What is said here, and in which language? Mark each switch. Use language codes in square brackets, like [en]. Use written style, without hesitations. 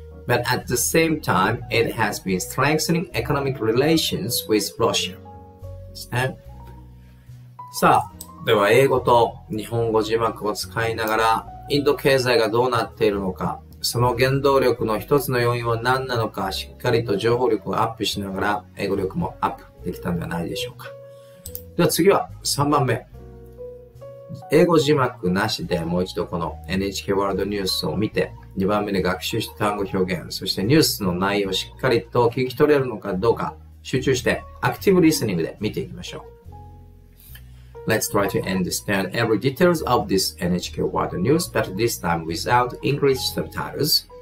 [en] But at the same time, it has been strengthening economic relations with Russia. [ja] さあ、では英語と日本語字幕を使いながら、インド経済がどうなっているのか、その原動力の一つの要因は何なのか、しっかりと情報力をアップしながら、英語力もアップできたのではないでしょうか。では次は3番目。英語字幕なしでもう一度この NHK ワールドニュースを見て、2番目で学習した単語表現、そしてニュースの内容をしっかりと聞き取れるのかどうか、集中してアクティブリスニングで見ていきましょう。 [en] Let's try to understand every details of this NHK World News, but this time without English subtitles.